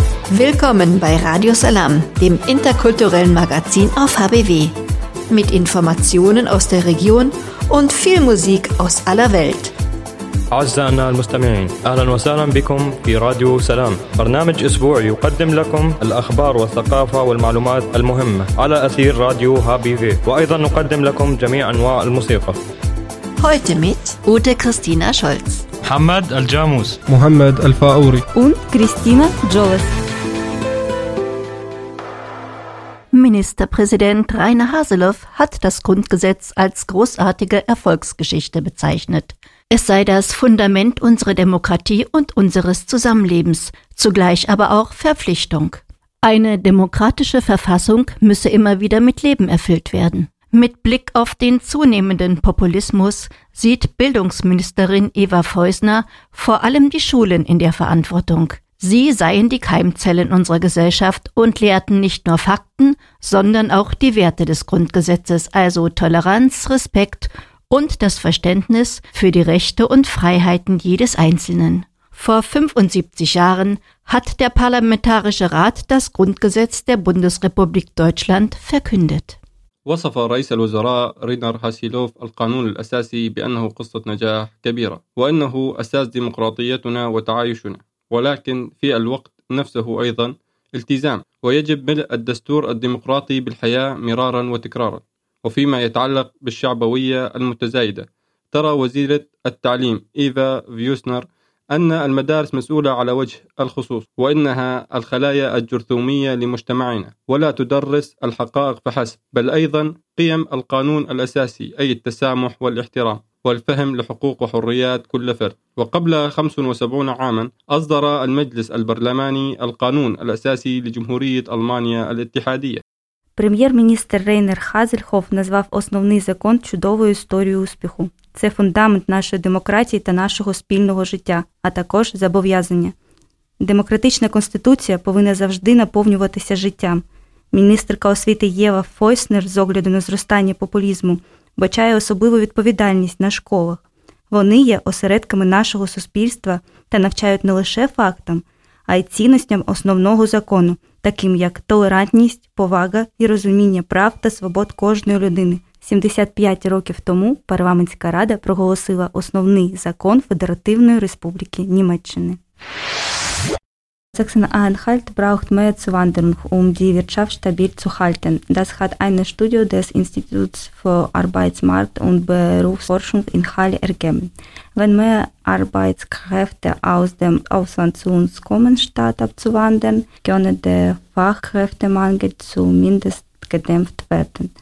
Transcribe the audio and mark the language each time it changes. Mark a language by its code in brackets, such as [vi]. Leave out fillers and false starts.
[de] Willkommen bei Radio Salam, dem interkulturellen Magazin auf HBW. Mit Informationen aus der Region und viel Musik aus aller Welt. [ar] أعزائنا المستمعين أهلا وسهلا بكم في راديو سلام برنامج أسبوعي يقدم لكم الأخبار والثقافة والمعلومات المهمة على أثير راديو هابي في وأيضا نقدم لكم جميع أنواع الموسيقى [de] Heute mit Ute Christina Scholz [ar] محمد الجاموس محمد الفاوري [de] und Christina Jones. Ministerpräsident Rainer Haseloff hat das Grundgesetz als großartige Erfolgsgeschichte bezeichnet. Es sei das Fundament unserer Demokratie und unseres Zusammenlebens, zugleich aber auch Verpflichtung. Eine demokratische Verfassung müsse immer wieder mit Leben erfüllt werden. Mit Blick auf den zunehmenden Populismus sieht Bildungsministerin Eva Feusner vor allem die Schulen in der Verantwortung. Sie seien die Keimzellen unserer Gesellschaft und lehrten nicht nur Fakten, sondern auch die Werte des Grundgesetzes, also Toleranz, Respekt und das Verständnis für die Rechte und Freiheiten jedes Einzelnen. Vor 75 Jahren hat der Parlamentarische Rat das Grundgesetz der Bundesrepublik Deutschland verkündet. [ar] وصف رئيس الوزراء رينار هاسيلوف القانون الأساسي بأنه قصة نجاح كبيرة وأنه أساس ديمقراطيتنا وتعايشنا. ولكن في الوقت نفسه أيضا التزام ويجب ملء الدستور الديمقراطي بالحياة مرارا وتكرارا وفيما يتعلق بالشعبوية المتزايدة ترى وزيرة التعليم إيفا فيوسنر أن المدارس مسؤولة على وجه الخصوص وإنها الخلايا الجرثومية لمجتمعنا ولا تدرس الحقائق فحسب بل أيضا قيم القانون الأساسي أي التسامح والاحترام والفهم لحقوق وحريات كل فرد وقبل 75 عاما أصدر المجلس البرلماني القانون الأساسي لجمهورية ألمانيا الاتحادية [uk] Прем'єр-міністр Рейнер Хазельхоф назвав основний закон чудовою історією успіху. Це фундамент нашої демократії та нашого спільного життя, а також зобов'язання. Демократична конституція повинна завжди наповнюватися життям. Міністерка освіти Єва Фойснер з огляду на зростання популізму бачає особливу відповідальність на школах. Вони є осередками нашого суспільства та навчають не лише фактам, а й цінностям основного закону, таким як толерантність, повага і розуміння прав та свобод кожної людини. 75 років тому парламентська рада проголосила основний закон Федеративної Республіки Німеччини. [de] Sachsen Anhalt braucht mehr Zuwanderung, die Wirtschaft zu halten. Das hat eine Studie des Instituts für Arbeitsmarkt und Berufsforschung in Halle ergeben. Wenn mehr Arbeitskräfte aus dem Ausland zu uns kommen, statt abzuwandern, könne der Fachkräftemangel zumindest gedämpft werden.